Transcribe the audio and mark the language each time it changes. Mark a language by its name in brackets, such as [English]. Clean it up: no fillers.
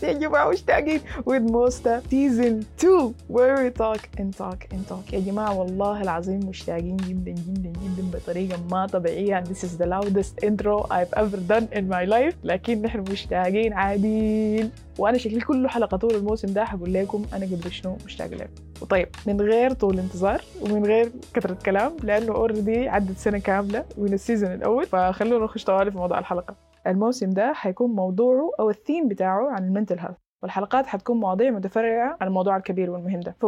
[English] Thank you for hashtagging with Mosta Season 2, where we talk and talk and talk. [Arabic] يا جماعة والله العظيم مشتاقين جدا جدا جدا بطريقة ما طبيعية. [English] This is the loudest intro I've ever done in my life. [Arabic] لكن نحن مشتاقين عادين. وأنا شكلي كل حلقة طول الموسم ده حقول لكم أنا قبل شنو مشتاق لكم. وطيب من غير طول انتظار ومن غير كثرة كلام لأنه أوردي عدت سنة كاملة من السيزن الأول، فخلونا نخش طوالي في موضوع الحلقة. الموسم ده حيكون موضوعه أو الثيم بتاعه عن المنتل هيلث، والحلقات حتكون مواضيع متفرعة عن الموضوع الكبير والمهم ده.